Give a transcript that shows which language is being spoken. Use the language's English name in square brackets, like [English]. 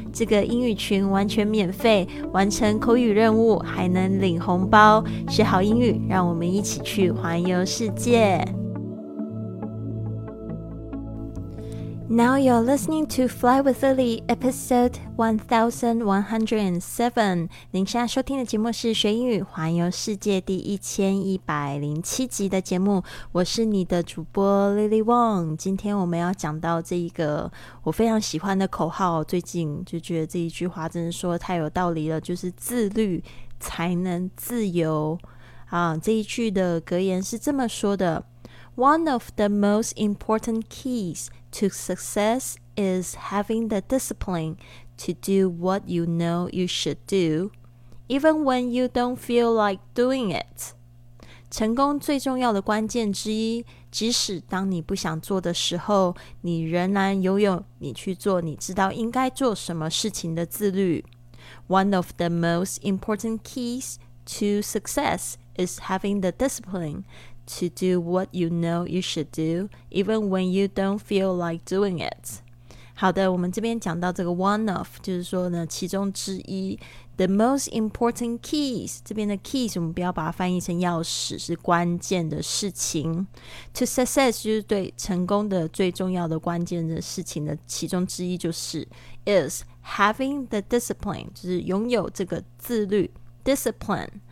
[Chinese] 这个英语群完全免费，完成口语任务还能领红包，学好英语，让我们一起去环游世界。 [English] Now you're listening to Fly with Lily, episode 1107. [Chinese] 您现在收听的节目是学英语环游世界第1107集的节目。我是你的主播 Lily Wong。今天我们要讲到这一个我非常喜欢的口号，最近就觉得这一句话真的说得太有道理了，就是自律才能自由。这一句的格言是这么说的， [English] One of the most important keys to success is having the discipline to do what you know you should do, even when you don't feel like doing it. [Chinese] 成功最重要的关键之一，即使当你不想做的时候，你仍然拥有你去做你知道应该做什么事情的自律。 [English] One of the most important keys to success is having the discipline. To do what you know you should do, even when you don't feel like doing it. [Chinese] 好的，我们这边讲到这个 [English] one of， [Chinese] 就是说呢，其中之一。 [English] The most important keys， [Chinese] 这边的 keys 我们不要把它翻译成钥匙，是关键的事情。 [English] To success [Chinese] 就是对成功的最重要的关键的事情的其中之一，就是 [English] is having the discipline， [Chinese] 就是拥有这个自律 discipline。